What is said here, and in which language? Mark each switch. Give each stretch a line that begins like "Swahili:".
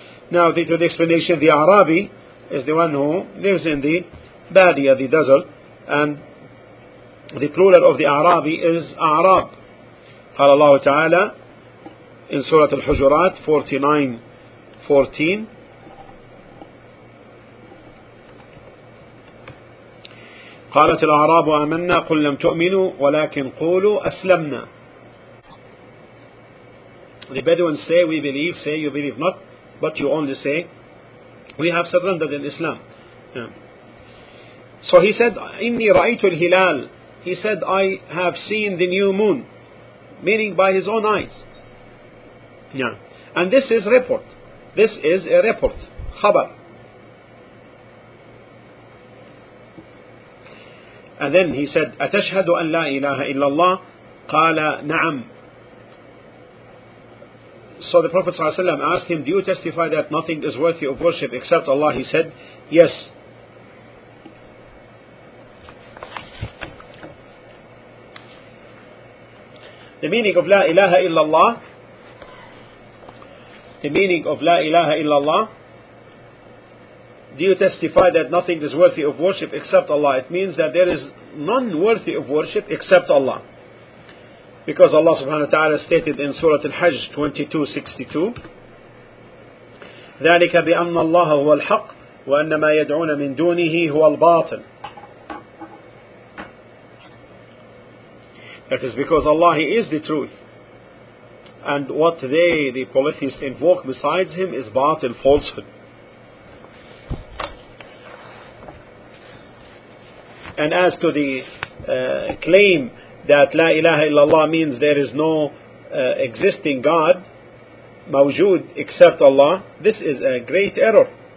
English: Now, due to the explanation, the Arabi is the one who lives in the Badia, the desert, and the plural of the Arabi is Arab.
Arabic: قال الله تعالى
English: in Surah Al-Hujurat 49:14.
Arabic: قالت الأعراب آمنا قل لم تؤمنوا ولكن قولوا أسلمنا.
English: The Bedouins say, we believe, say, you believe not, but you only say, we have surrendered in Islam. So he said,
Arabic: إني رأيت الهلال.
English: He said, I have seen the new moon, meaning by his own eyes. Yeah. And this is report. This is a report. Khabar. And then he said,
Arabic: أتشهد أن لا إله إلا الله؟ قال نعم.
English: So the Prophet ﷺ asked him, do you testify that nothing is worthy of worship except Allah? He said, yes. The meaning of La ilaha illallah, the meaning of La ilaha illallah, do you testify that nothing is worthy of worship except Allah? It means that there is none worthy of worship except Allah. Because Allah subhanahu wa ta'ala stated in Surah Al-Hajj 22:62,
Arabic: ذَلِكَ بِأَنَّ اللَّهَ هُوَ الْحَقِّ وَأَنَّ مَا يَدْعُونَ مِن دُونِهِ هُوَ الْبَاطِلِ.
English: That is because Allah, He is the truth. And what they, the polytheists, invoke besides Him is batil, falsehood. And as to the claim that La ilaha illallah means there is no existing God, mawjood, except Allah, this is a great error.